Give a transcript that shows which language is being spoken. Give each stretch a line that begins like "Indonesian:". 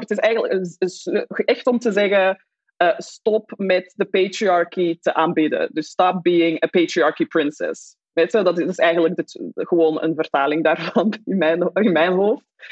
Dutch: Het is eigenlijk echt om te zeggen, stop met de patriarchy te aanbidden. Dus
English: stop being a patriarchy princess.
Dutch: Weet je, dat is eigenlijk gewoon een vertaling daarvan in mijn hoofd.